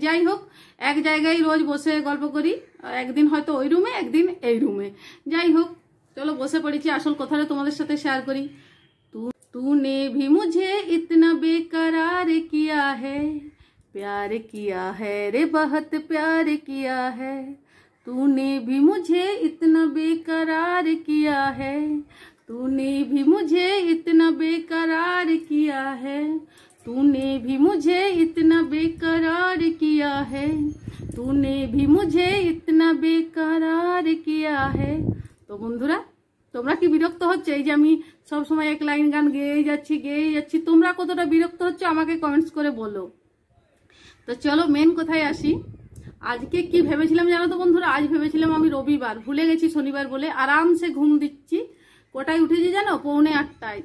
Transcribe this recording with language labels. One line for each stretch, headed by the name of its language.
Bangla: যাই হোক, এক জায়গায় রোজ বসে গল্প করি, একদিন হয়তো ওই রুমে, একদিন এই রুমে, যাই হোক। চলো বসে পড়েছি, আসল কথাটা তোমাদের সাথে শেয়ার করি।
Hindi: তুনে ভি মুঝে ইতনা বেকারার কিয়া হ্যায়, প্যার কিয়া হ্যায়
Bangla: রে বহত প্যার কিয়া হ্যায়।
Hindi: तूने भी मुझे इतना बेकरार किया है, तूने भी मुझे इतना बेकरार किया है, तूने भी मुझे इतना बेकरार किया है, तूने भी मुझे इतना बेकरार किया है। तो बंधुरा
Bangla: তোমরা কি বিরক্ত হচ্ছ এই যে আমি সব সময় এক লাইন গান গেয়ে যাচ্ছি, তোমরা কতটা বিরক্ত হচ্ছ আমাকে কমেন্টস করে বলো। তো চলো মেন কথায় আসি। আজকে কি ভেবেছিলাম জানো তো বন্ধুরা, আজ ভেবেছিলাম আমি রবিবার, ভুলে গেছি শনিবার বলে আরামসে ঘুম দিচ্ছি। কটায় উঠেছি জানো? 7:45।